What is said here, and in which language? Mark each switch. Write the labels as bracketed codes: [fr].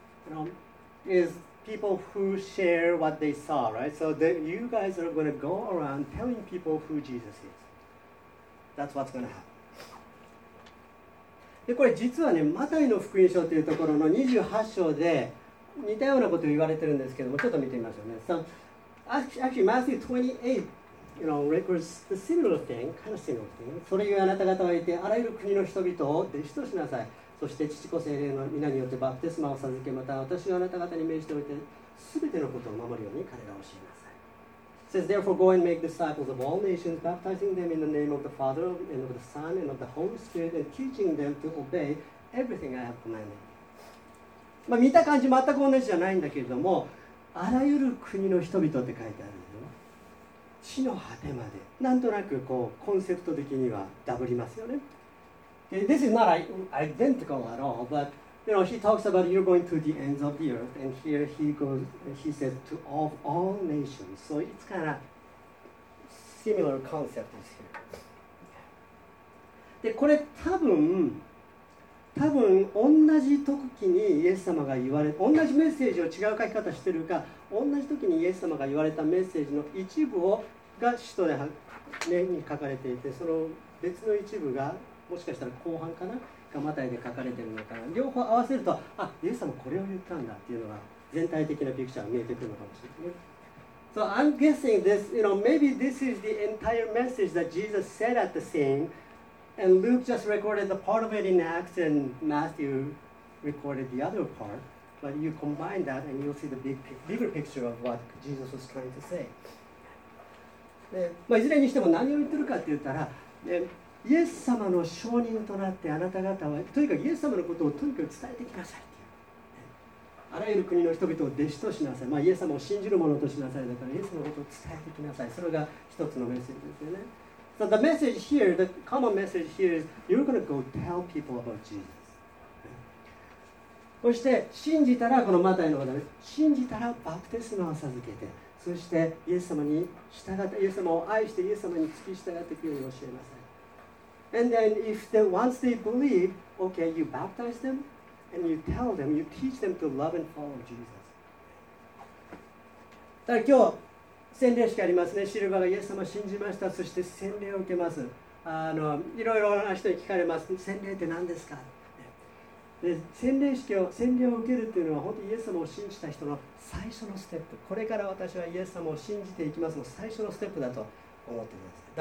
[en] So witnesses is... People who share what they saw, right? So then you guys are going to go around telling people who Jesus is. That's what's going to happen. [ja] で、これ実はね、マタイの福音書というところの28章で似たようなことを言われてるんですけども、ちょっと見てみましょうね。 [en] So actually, Matthew 28, you know, records the similar thing, kind of similar thing. [ja] それゆえあなた方はいて、あらゆる国の人々を弟子としなさい。そして父子聖霊の皆によってバプテスマを授け、また私があなた方に命じておいて、すべてのことを守るように彼らを教えなさい。 [en] It says, therefore go and make disciples of all nations, baptizing them in the name of the Father, and of the Son, and of the Holy Spirit, and teaching them to obey everything I have commanded. [ja] まあ見た感じ全く同じじゃないんだけれども、あらゆる国の人々って書いてあるよ。地の果てまで。なんとなくこうコンセプト的にはダブりますよね。 [en] This is not identical at all, but you know, he talks about you're going to the ends of the earth, and here he goes, he said to all nations. So it's kind of similar concept is here. [ja] で、これ多分同じ時にイエス様が言われ、同じメッセージを違う書き方してるか、同じ時にイエス様が言われたメッセージの一部をが使徒に書かれていて、その別の一部がもしかしたら後半かながマタイで書かれてるのかな、両方合わせると、あ、イエス様これを言ったんだっていうのが全体的なピクチャーが見えてくるのかもしれない。 [en] So I'm guessing this, you know, maybe this is the entire message that Jesus said at the scene, and Luke just recorded the part of it in Acts, and Matthew recorded the other part. But you combine that, and you'll see the bigger picture of what Jesus was trying to say. [ja] で、まあ、いずれにしても何を言ってるかって言ったら、で、イエス様の証人となってあなた方は、とにかくイエス様のことをとにかく伝えてきなさいっていう。あらゆる国の人々を弟子としなさい。まあ、イエス様を信じる者としなさい。だからイエス様のことを伝えてきなさい。それが一つのメッセージですよね。 [en] So the message here, the common message here is you're going to go tell people about Jesus. [ja] そして信じたらこのマタイの方で、ね、信じたらバプテスマを授けて、そしてイエス様に従って、イエス様を愛してイエス様に付き従っていくように教えなさい。 [en] And then if they, once they believe, okay, you baptize them and you tell them, you teach them to love and follow Jesus. [ja] だから今日洗礼式ありますね。シルバーがイエス様を信じました、そして洗礼を受けます。あの、いろいろな人に聞かれます、洗礼って何ですか。で、洗礼式を、洗礼を受けるっていうのは本当にイエス様を信じた人の最初のステップ、これから私はイエス様を信じていきますの最初のステップだと思ってください。